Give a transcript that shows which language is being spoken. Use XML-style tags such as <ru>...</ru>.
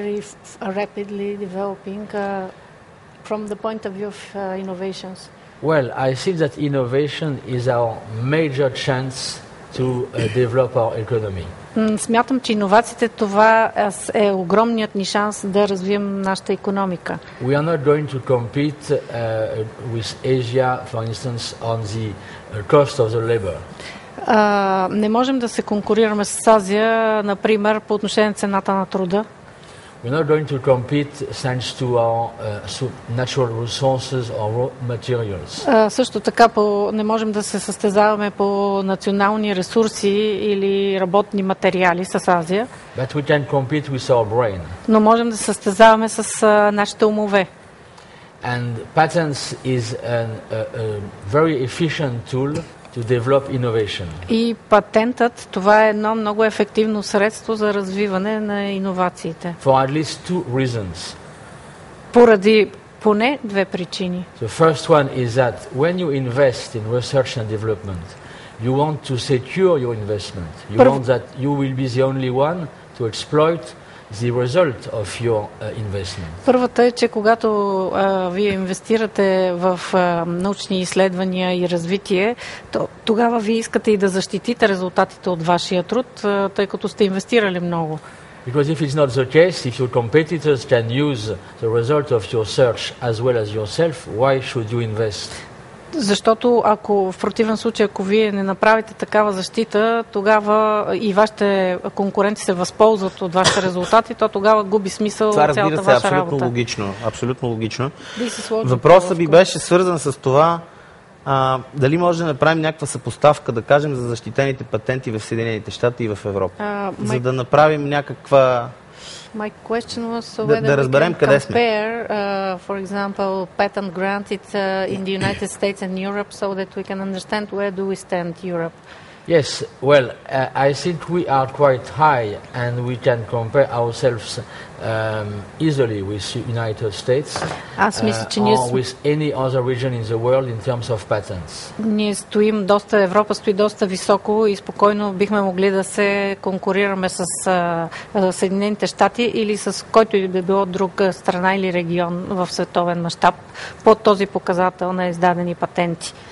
<en>Very rapidly developing from the point of view of innovations. Well, I think that innovation is our major chance to develop our economy.</en> <bg>Смятам, че иновациите това е огромният ни шанс да развием нашата икономика.</bg> <en>We are not going to compete with Asia, for instance, on the cost of the labor.</en> <bg>Не можем да се конкурираме с Азия, например, по отношение на цената на труда.</bg> <en>We are not going to compete thanks to our natural resources or raw materials.</en> <bg>Също така не можем да се състезаваме по национални ресурси или работни материали с Азия.</bg> <en>But we can compete with our brain.</en> <bg>Но можем да се състезаваме с нашите умове.</bg> <en>And patents is a very efficient tool to develop innovation.</en> <bg>И патентът, това е едно много ефективно средство за развиване на иновациите.</bg> <en>For at least two reasons.</en> <bg>Поради поне две причини.</bg> <en>The first one is that when you invest in research and development, you want to secure your investment. You want that you will be the only one to exploit the result of your investment.</en> <bg>Първата е, че когато вие инвестирате в научни изследвания и развитие, тогава вие искате и да защитите резултатите от вашия труд, тъй като сте инвестирали много.</bg> <en>Because if it's not the case, if your competitors can use the result of your search as well as yourself, why should you invest?</en> <bg>Защото ако в противен случай, ако вие не направите такава защита, тогава и вашите конкуренти се възползват от вашите резултати, то тогава губи смисъл цялата ваша работа. Това, разбира се, абсолютно логично. Абсолютно логично. Въпросът ви беше свързан с това, дали може да направим някаква съпоставка, да кажем, за защитените патенти в Съединените щати и в Европа. За да направим някаква...</bg> <en>My question was so whether we can compare, for example, patent granted in the United States and Europe, so that we can understand where do we stand, Europe. Yes, well, I think we are quite high and we can compare ourselves easily with the United States or with any other region in the world in terms of patents.</en> <bg>Ние стоим доста, Европа стои доста високо и спокойно бихме могли да се конкурираме с Съединените щати или с който и да било друг страна или регион в световен мащаб по този показател на издадени патенти.</bg>